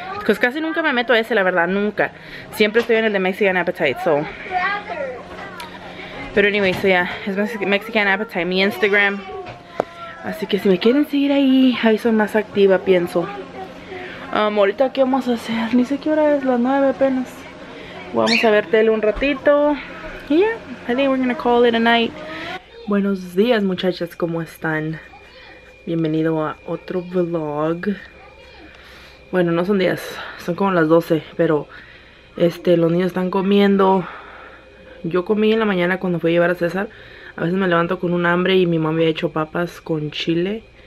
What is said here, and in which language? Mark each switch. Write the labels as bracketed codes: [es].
[es] Pues casi nunca me meto a ese, la verdad, nunca. Siempre estoy en el de Mexican Appetite, [en] so. [es] Pero [en] anyway, so yeah, [es] es Mexican Appetite, mi Instagram. Así que si me quieren seguir ahí, ahí soy más activa, pienso. Ahorita, ¿qué vamos a hacer? Ni sé qué hora es, las 9 apenas. Vamos a ver tele un ratito. [en] Y yeah, I think we're gonna call it a night. [es] Buenos días, muchachas, ¿cómo están? Bienvenido a otro vlog. Bueno, no son días, son como las 12, pero los niños están comiendo. Yo comí en la mañana cuando fui a llevar a César. A veces me levanto con un hambre y mi mamá había hecho papas con chile.